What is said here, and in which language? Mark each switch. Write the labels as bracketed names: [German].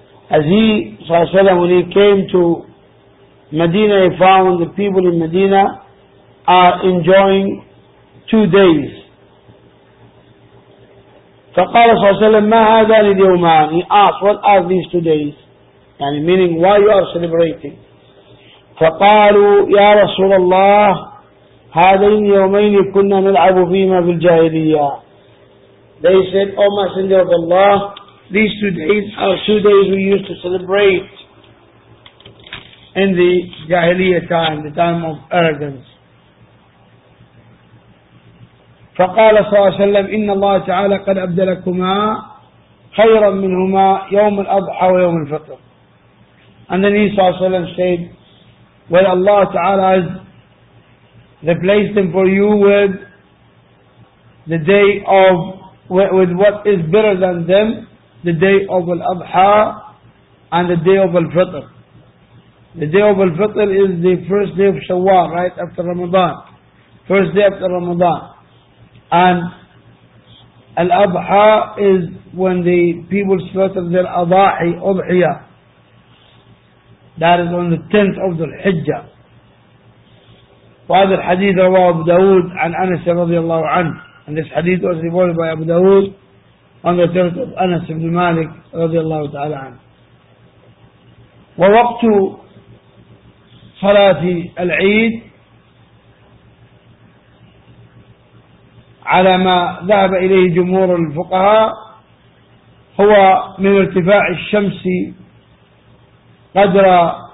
[English] As he sallam, when he came to Medina, he found the people in Medina are enjoying 2 days. [Arabic] فقال صلى الله عليه وسلم ما هذا اليومان. [English] He asked, what are these 2 days? And meaning, why you are celebrating? [Arabic] فقالوا يا رسول الله هذين يومين كنا نلعب فيما في الجاهلية. [English] They said, oh Messenger of Allah, these 2 days are 2 days we used to celebrate in the Jahiliyyah time, the time of arrogance. [Arabic] فقال صلى الله عليه وسلم إن الله تعالى قد أبدلكما خيرا منهما يوم الأضحى ويوم الفطر. [English] And then he صلى الله عليه وسلم said, well, Allah Ta'ala has replaced them for you with the day of, with what is better than them, the day of Al-Adha and the day of Al-Fitr. The day of Al-Fitr is the first day of Shawwal, right, after Ramadan. First day after Ramadan. And Al-Adha is when the people slaughter their Adahi, Udhiya. That is on the 10th of the Hijjah. [Arabic] وهذا الحديث رواه أبو داود عن أنس رضي الله عنه. [English] And this hadith was reported by Abu Dawood on the 3rd of Anas ibn Malik رضي الله تعالى عنه. [Arabic] ووقت صلاة العيد على ما ذهب إليه جمهور الفقهاء هو من ارتفاع الشمس قدر